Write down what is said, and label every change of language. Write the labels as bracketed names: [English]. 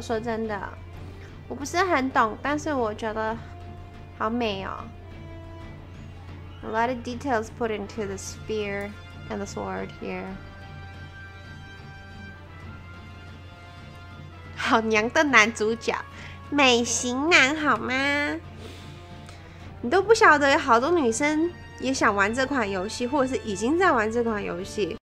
[Chinese] 说真的，我不是很懂，但是我觉得好美哦。 [English] A lot of details put into the spear and the sword here. [Chinese] 好娘的男主角，美型男好吗？你都不晓得有好多女生也想玩这款游戏，或者是已经在玩这款游戏。